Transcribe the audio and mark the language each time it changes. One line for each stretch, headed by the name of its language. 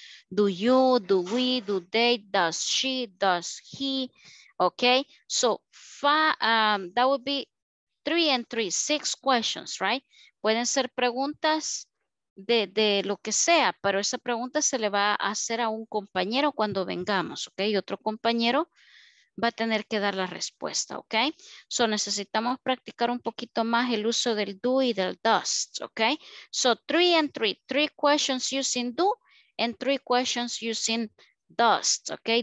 English: Do you, do we, do they, does she, does he. Ok, so that would be 3 and 3, 6 questions, right?
Spanish: Pueden ser preguntas de lo que sea, pero esa pregunta se le va a hacer a un compañero cuando vengamos, ok? Y otro compañero va a tener que dar la respuesta, ok? So necesitamos practicar un poquito más el uso del do y del does, ok?
English: So 3 and 3, 3 questions using do and 3 questions using does, okay?